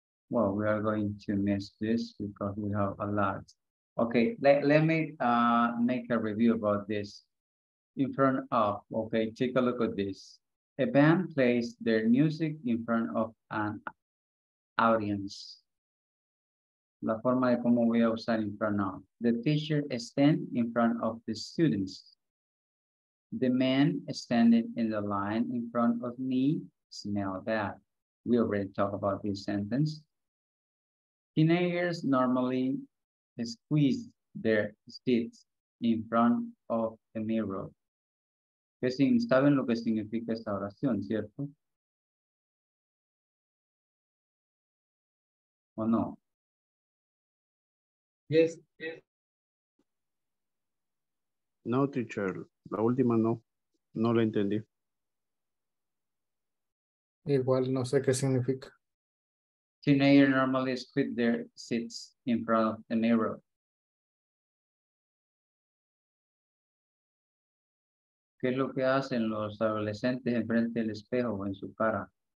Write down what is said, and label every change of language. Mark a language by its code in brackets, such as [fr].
[en] Well, we are going to miss this because we have a lot. Okay, let me make a review about this. In front of, okay, take a look at this. A band plays their music in front of an audience. [es] La forma de cómo voy a usar in front of. [en] The teacher stands in front of the students. The man standing in the line in front of me smell bad. We already talked about this sentence. Teenagers normally squeeze their teeth in front of a mirror. [es] ¿Qué significa? ¿Saben lo que significa esta oración, cierto? ¿O no? [en] Yes, yes. [es] No, teacher. La última no. No la entendí. Igual no sé qué significa. [en] Teenagers normally squeeze their seats in front of the mirror. [es] ¿Qué es lo que hacen los adolescentes enfrente del espejo o en su cara?